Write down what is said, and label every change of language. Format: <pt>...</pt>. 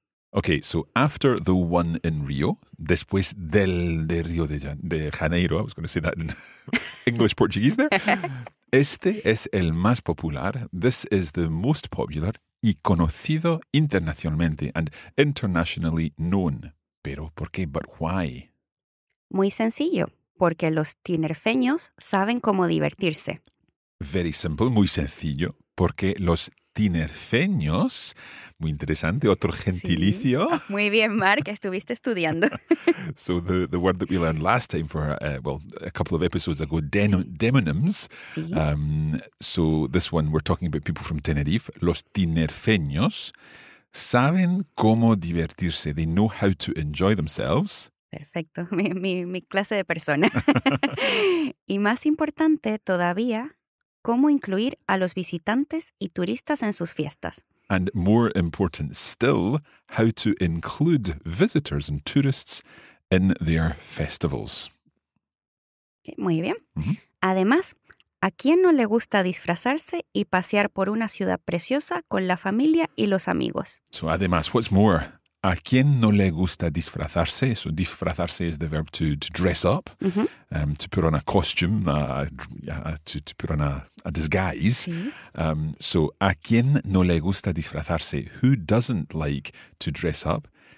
<en>Okay, so after the one in Rio,</en> <es>después del de Río de Janeiro,</es> <en>I was going to say that in English-Portuguese there,</en> <es>este es el más popular,</es> <en>this is the most popular,</en> <es>y conocido internacionalmente</es> <en>and internationally known.</en> <es>Pero ¿por qué?</es> <en>But why?</en> <es>Muy sencillo, porque los tinerfeños saben cómo divertirse.</es> <en>Very simple,</en> <es>muy sencillo, porque los tinerfeños, muy interesante, otro gentilicio. Sí. Muy bien, Mark, estuviste estudiando.</es> <en>So the word that we learned last time for, a couple of episodes ago, demonyms.</en> <es>Sí.</es> <en>So this one, we're talking about people from Tenerife.</en> <es>Los tinerfeños saben cómo divertirse.</es> <en>They know how to enjoy themselves.</en> <es>Perfecto, mi clase de persona. Y más importante todavía, cómo incluir a los visitantes y turistas en sus fiestas.</es> <en>And more important still, how to include visitors and tourists in their festivals.</en> <es>Muy bien. Además, ¿a quién no le gusta disfrazarse y pasear por una ciudad preciosa con la familia y los amigos?</es> <en>So además, what's more,</en> <es>¿a quién no le gusta disfrazarse?</es> <en>So disfrazarse is the verb to dress up, to put on a costume, to put on a disguise.</en> <es>Sí. So ¿a quién no le gusta disfrazarse?</es> <en>Who doesn't like to dress up?</en>